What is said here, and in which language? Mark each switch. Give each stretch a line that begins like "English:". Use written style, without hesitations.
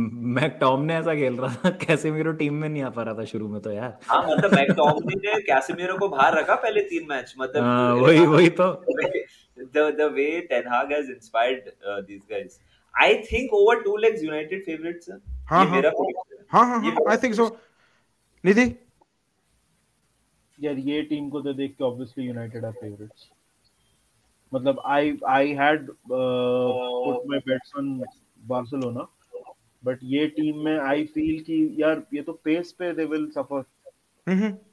Hindi: McTominay ऐसा खेल रहा था Casemiro टीम में नहीं आ पा रहा था शुरू में तो यार हाँ मतलब McTominay ने Casemiro को बाहर रखा पहले तीन मैच मतलब वही वही तो
English: the way Ten Hag has inspired these guys I think over two legs United favorites
Hindi: हाँ हाँ हाँ
English: I think so Nidhi
Hindi: यार ये टीम को तो देख के
English: obviously United are favorites मतलब I had put my bets on Barcelona
Hindi: but ये टीम में
English: I feel
Hindi: कि यार ये तो
English: pace पे they will suffer